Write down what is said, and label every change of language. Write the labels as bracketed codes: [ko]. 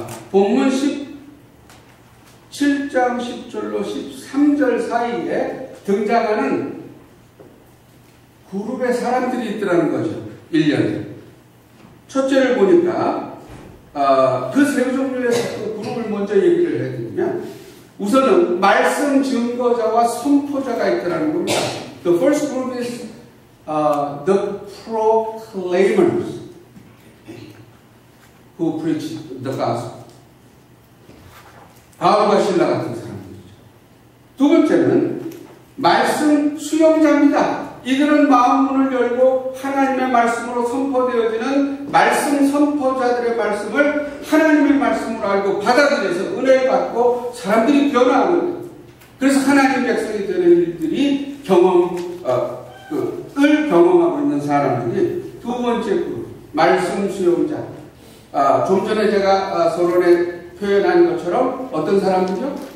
[ko] 본문 17장 10절로 13절 사이에 등장하는 그룹의 사람들이 있더라는 거죠. 1년에. 첫째를 보니까 그 세 종류의 그룹을 먼저 얘기를 해야 되느냐. 우선은 말씀 증거자와 선포자가 있더라는 겁니다. [en] The first group is the proclaimers who preach the gospel. [ko] 바울과 실라 같은 사람들이죠. 두 번째는 말씀 수용자입니다. 이들은 마음 문을 열고 하나님의 말씀으로 선포되어지는 말씀 선포자들의 말씀을 하나님의 말씀으로 알고 받아들여서 은혜를 받고 사람들이 변화하는 그래서 하나님 백성이 되는 일들이 경험하고 있는 사람들이 두 번째 그룹 말씀 수용자 좀 전에 제가 서론에 표현한 것처럼 어떤 사람들이요?